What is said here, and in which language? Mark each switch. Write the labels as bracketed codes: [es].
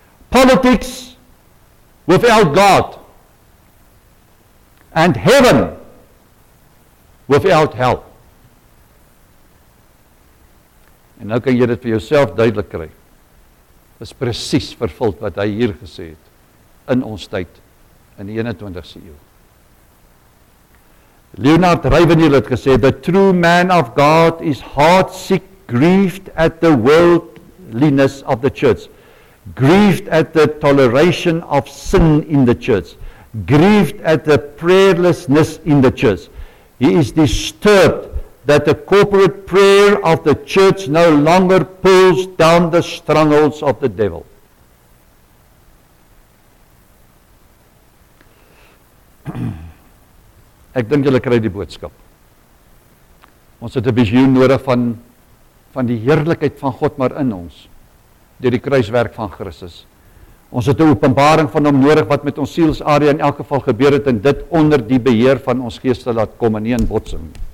[en] Politics without God and heaven without hell." [af] En nou kan jy dit vir jouself duidelik kry. is presies vervul wat hy hier gesê het in ons tyd in die 21ste eeu. [en] Leonard Ravenhill [af] het gesê, [en] the true man of God is heartsick, grieved at the worldliness of the church, grieved at the toleration of sin in the church, grieved at the prayerlessness in the church. He is disturbed that the corporate prayer of the church no longer pulls down the strongholds of the devil. [af] Ek dink julle kry die boodskap. Ons het 'n visioen nodig van die heerlikheid van God maar in ons deur die kruiswerk van Christus. Ons het 'n openbaring van hom nodig wat met ons sielsarea in elk geval gebeur het en dit onder die beheer van ons gees te laat kom en nie in botsing.